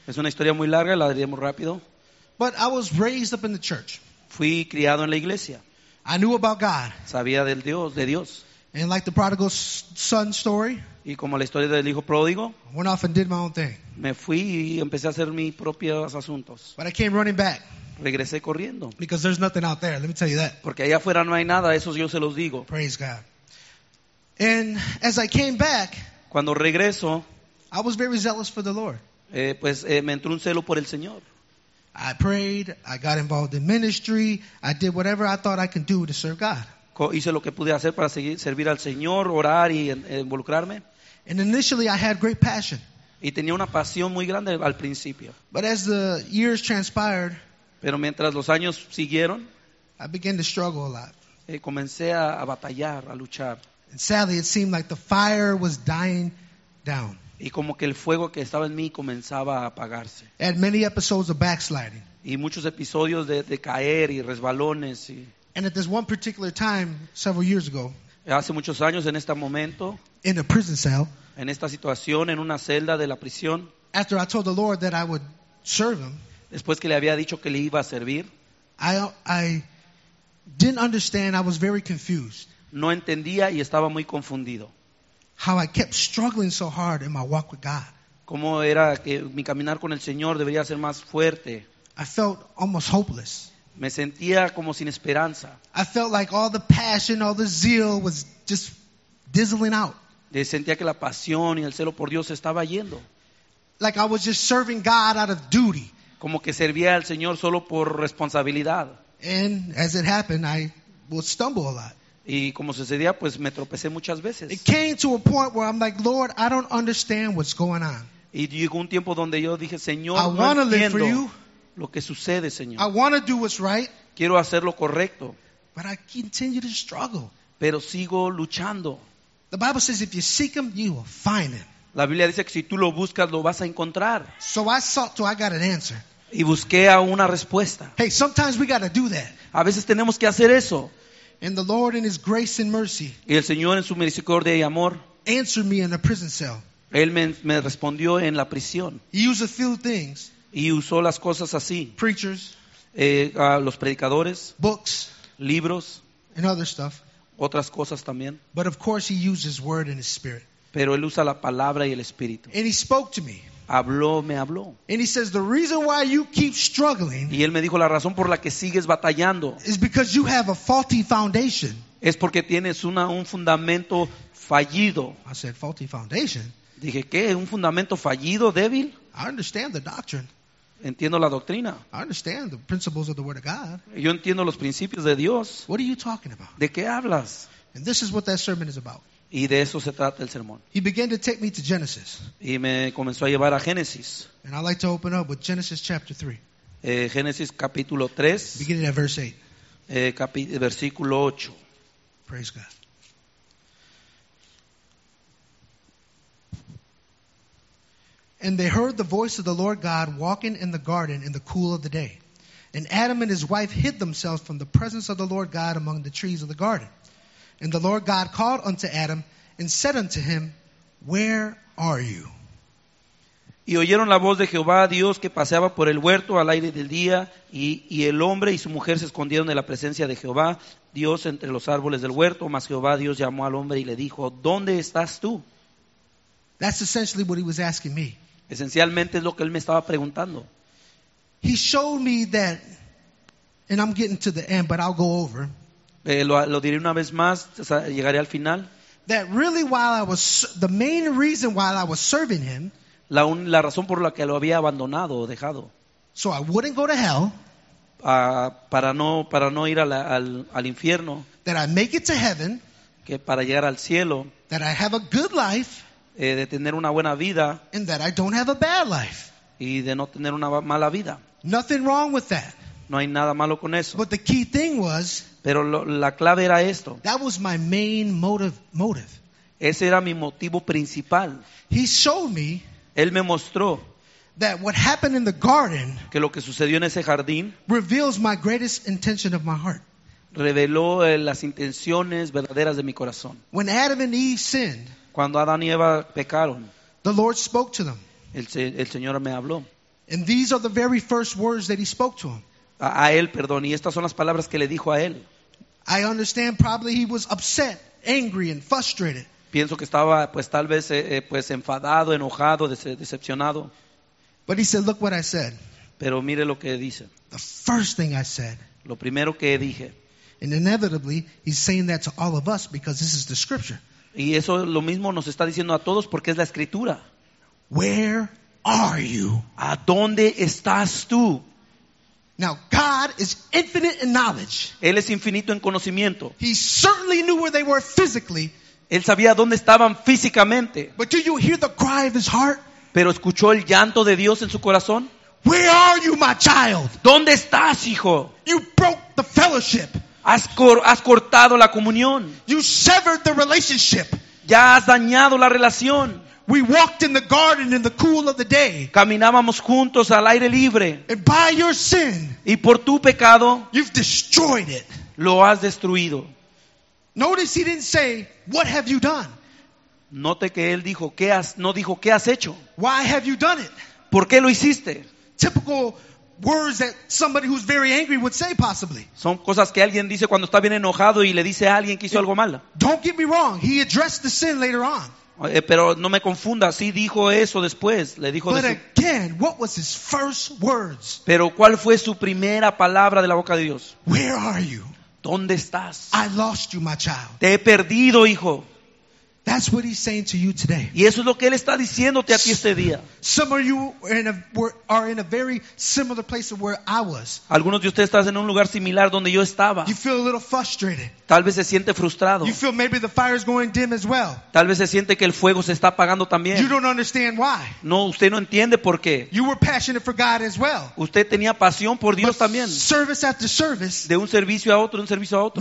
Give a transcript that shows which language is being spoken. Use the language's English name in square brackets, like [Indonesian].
[Spanish] Es una historia muy larga, la diré muy rápido. [English] But I was raised up in the church. [Spanish] Fui criado en la iglesia. [English] I knew about God. [Spanish] Sabía del Dios, de Dios. [English] And like the prodigal son story. [Spanish] Y como la historia del hijo pródigo. [English] I went off and did my own thing. [Spanish] Me fui y empecé a hacer mis propios asuntos. [English] But I came running back. [Spanish] Regresé corriendo. [English] Because there's nothing out there. Let me tell you that. [Spanish] Porque allá afuera no hay nada. Eso yo se los digo. [English] Praise God. And as I came back. [Spanish] Cuando regreso. [English] I was very zealous for the Lord. [Spanish] Me entró un celo por el Señor. [English] I prayed. I got involved in ministry. I did whatever I thought I could do to serve God. [Spanish] Hice lo que pude hacer para servir al Señor, orar y involucrarme. [English] And initially, I had great passion. [Spanish] Y tenía una pasión muy grande al principio. [English] But as the years transpired, [Spanish] pero mientras los años siguieron, [English] I began to struggle a lot. [Spanish] Comencé a batallar, a luchar. [English] And sadly, it seemed like the fire was dying down. [Spanish] Y como que el fuego que estaba en mí comenzaba a apagarse. [English] And many episodes of backsliding. [Spanish] Y muchos episodios de caer y resbalones. Y [English] and at this one particular time, several years ago, [Spanish] hace muchos años en este momento, [English] in a prison cell, [Spanish] en esta situación, en una celda de la prisión, [English] after I told the Lord that I would serve him, [Spanish] después que le había dicho que le iba a servir, [English] I didn't understand, I was very confused. [Spanish] No entendía y estaba muy confundido. [English] How I kept struggling so hard in my walk with God. [Spanish] cómo era que mi caminar con el Señor debería ser más fuerte. [English] I felt almost hopeless. [Spanish] Me sentía como sin esperanza. [English] I felt like all the passion, all the zeal was just dizzling out. [Spanish] Sentía que la pasión y el celo por Dios estaba yendo. [English] Like I was just serving God out of duty. [Spanish] Como que servía al Señor solo por responsabilidad. [English] And as it happened, I would stumble a lot. [Spanish] Y como sucedía, pues me tropecé muchas veces. [English] It came to a point where I'm like, Lord, I don't understand what's going on. [Spanish] Y llegó un tiempo donde yo dije, Señor, no entiendo. [English] I want to live for you. [Spanish] Lo que sucede, Señor. [English] I want to do what's right. [Spanish] Quiero hacer lo correcto. [English] But I continue to struggle. [Spanish] Pero sigo luchando. [English] The Bible says if you seek him, you will find him. [Spanish] La Biblia dice que si tú lo buscas, lo vas a encontrar. [English] So I sought till I got an answer. [Spanish] Y busqué a una respuesta. [English] Hey, sometimes we got to do that. [Spanish] A veces tenemos que hacer eso. [English] And the Lord in his grace and mercy. [Spanish] Y el Señor en su misericordia y amor. [English] Answered me in a prison cell. [Spanish] Él me respondió en la prisión. [English] He used a few things. [Spanish] Y usó las cosas así. [English] Preachers. [Spanish] Los predicadores. [English] Books. [Spanish] Libros. [English] And other stuff. [Spanish] Otras cosas también. [English] But of course he used his word and his spirit. [Spanish] Pero él usa la palabra y el espíritu. [English] And he spoke to me. [Spanish] Habló, me habló. [English] And he says, the reason why you keep struggling. [Spanish] Y él me dijo, la razón por la que sigues batallando. [English] Is because you have a faulty foundation. [Spanish] Es porque tienes un fundamento fallido. [English] I said, faulty foundation? [Spanish] Dije, ¿qué? ¿Un fundamento fallido, débil? [English] I understand the doctrine. [Spanish] Entiendo la doctrina. [English] I understand the principles of the word of God. [Spanish] Yo entiendo los principios de Dios. [English] What are you talking about? [Spanish] ¿De qué hablas? [English] And this is what that sermon is about. [Spanish] Y de eso se trata el sermón. [English] He began to take me to Genesis. [Spanish] Y me comenzó a llevar a Génesis. [English] And I'd like to open up with Genesis chapter 3. [Spanish] Génesis capítulo 3. [English] Beginning at verse 8. [Spanish] Versículo 8. [English] Praise God. And they heard the voice of the Lord God walking in the garden in the cool of the day. And Adam and his wife hid themselves from the presence of the Lord God among the trees of the garden. And the Lord God called unto Adam and said unto him, Where are you? [Spanish] Y oyeron la voz de Jehová Dios que paseaba por el huerto al aire del día, y el hombre y su mujer se escondieron de la presencia de Jehová Dios entre los árboles del huerto. Mas Jehová Dios llamó al hombre y le dijo, ¿Dónde estás tú? [English] That's essentially what he was asking me. [Spanish] Esencialmente es lo que él me estaba preguntando. [English] He showed me that, and I'm getting to the end, but I'll go over. [Spanish] Lo diré una vez más, llegaré al final. [English] That really while I was, the main reason while I was serving him, [Spanish] la razón por la que lo había abandonado o dejado, [English] so I wouldn't go to hell, [Spanish] para no ir al infierno, [English] that I make it to heaven, [Spanish] que para llegar al cielo, [English] that I have a good life, [Spanish] De tener una buena vida, [English] and that I don't have a bad life. [Spanish] Y de no tener una mala vida. [English] Nothing wrong with that. [Spanish] No hay nada malo con eso. [English] But the key thing was, [Spanish] pero la clave era esto. [English] That was my main motive. [Spanish] Ese era mi motivo principal. [English] He showed me, [Spanish] él me mostró, [English] that what happened in the garden, [Spanish] que lo que sucedió en ese jardín, [English] reveals my greatest intention of my heart. [Spanish] Reveló las intenciones verdaderas de mi corazón. [English] When Adam and Eve sinned, [Spanish] cuando Adán y Eva pecaron, [English] the Lord spoke to them. [Spanish] El Señor me habló. [English] And these are the very first words that he spoke to him. [Spanish] A él, perdón. Y estas son las palabras que le dijo a él. [English] I understand probably he was upset, angry and frustrated. [Spanish] Pienso que estaba pues tal vez pues enfadado, enojado, decepcionado. [English] But he said, look what I said. [Spanish] Pero mire lo que dice. [English] The first thing I said. [Spanish] Lo primero que dije. [English] And inevitably he's saying that to all of us because this is the scripture. [Spanish] Y eso lo mismo nos está diciendo a todos porque es la escritura. [English] Where are you? [Spanish] ¿A dónde estás tú? [English] Now God is infinite in knowledge. [Spanish] Él es infinito en conocimiento. [English] He certainly knew where they were physically. [Spanish] Él sabía dónde estaban físicamente. [English] But do you hear the cry of his heart? [Spanish] ¿Pero escuchó el llanto de Dios en su corazón? [English] Where are you, my child? [Spanish] ¿Dónde estás, hijo? [English] You broke the fellowship. [Spanish] Has cortado la comunión. [English] You severed the relationship. [Spanish] Ya has dañado la relación. [English] We walked in the garden in the cool of the day. [Spanish] Caminábamos juntos al aire libre. [English] And by your sin, [Spanish] y por tu pecado, [English] you've destroyed it. [Spanish] Lo has destruido. [English] Notice he didn't say, "What have you done?" [Spanish] Note que él dijo, "¿Qué has?" No dijo, "¿Qué has hecho?" [English] Why have you done it? [Spanish] ¿Por qué lo hiciste? [English] Typical words that somebody who's very angry would say, possibly. [Spanish] Son cosas que alguien dice cuando está bien enojado y le dice a alguien que hizo algo malo. [English] Don't get me wrong. He addressed the sin later on. [Spanish] Pero no me confunda, sí dijo eso después, le dijo después. [English] But again, what was his first words? [Spanish] Pero ¿cuál fue su primera palabra de la boca de Dios? [English] Where are you? [Spanish] ¿Dónde estás? [English] I lost you, my child. [Spanish] Te he perdido, hijo. [English] That's what he's saying to you today. [Spanish] Y eso es lo que él está diciéndote a ti este día. [English] Some of you are in a very similar place to where I was. [Spanish] Algunos de ustedes están en un lugar similar donde yo estaba. [English] You feel a little frustrated. [Spanish] Tal vez se siente frustrado. [English] You feel maybe the fire is going dim as well. [Spanish] Tal vez se siente que el fuego se está apagando también. [English] You don't understand why. [Spanish] No, usted no entiende por qué. [English] You were passionate for God as well. [Spanish] Usted tenía pasión por Dios también. [English] Service after service. [Spanish] De un servicio a otro, de un servicio a otro.